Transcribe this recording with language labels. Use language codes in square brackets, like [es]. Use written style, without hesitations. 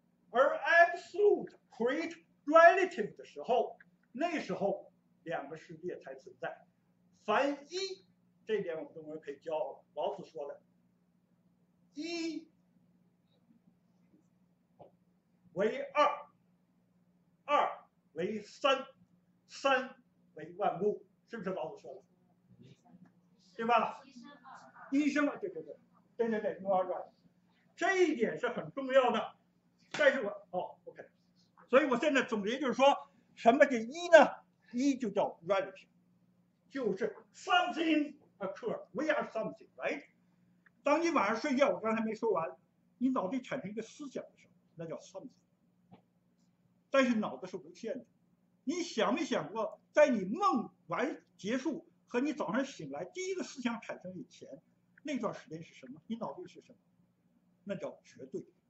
[zh] 而 absolute create relative 的时候，那时候两个世界才存在，凡一，这点我们中国人可以教老子说的，一为二，二为三，三为万物，是不是老子说的？对吧？一生二，一生二，对，这一点是很重要的。但是OK， 所以我现在总结就是说，什么叫一呢？ [en] 一就叫 reality，就是 something occurs， we are something， right？ [zh] 当你晚上睡觉，我刚才没说完，你脑袋产生一个思想的时候，那叫 something。但是脑子是无限的，你想没想过，在你梦完结束和你早上醒来第一个思想产生以前，那段时间是什么？你脑袋是什么？那叫绝对。